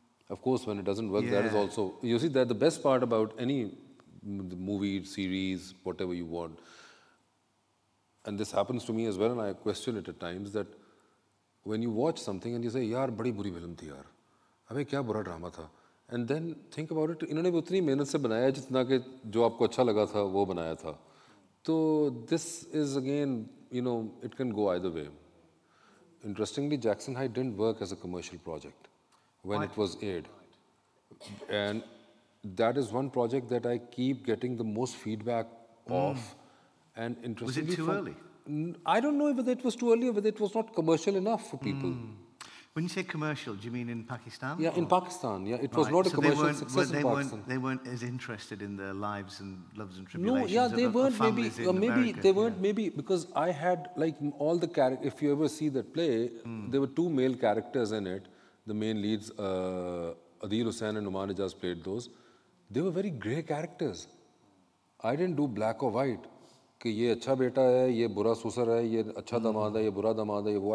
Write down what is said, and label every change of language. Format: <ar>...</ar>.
<en>of course, when it doesn't work, that is also, you see, that the best part about any movie, series, whatever you want, and this happens to me as well, and I question it at times, that when you watch something and you say,</en> <hi>yaar, badi buri film thi yaar, abe kya bura drama tha.</hi> <en>And then think about it,</en> <hi>इन्होंने भी उतनी मेहनत से बनाया जितना कि जो आपको अच्छा लगा था वो बनाया था.</hi> <en>तो this is again, you know, it can go either way. Interestingly, Jackson High didn't work as a commercial project when it was aired. And that is one project that I keep getting the most feedback of. And interestingly, was it too early? I don't know whether it was too early or whether it was not commercial enough for people. When you say commercial, do you mean in Pakistan? Yeah, in Pakistan. Yeah, it was not a commercial success in Pakistan. They weren't as interested in the lives and loves and tribulations. No, yeah, they weren't. Maybe they weren't. Maybe because I had like all the characters. If you ever see that play, there were two male characters in it. The main leads, Adil Hussain and Numan Ijaz, played those. They were very grey characters. I didn't do black or white.</en> <hi>कि ये अच्छा बेटा है, ये बुरा सुसर है, ये अच्छा दामाद है, ये बुरा दामाद है.</hi>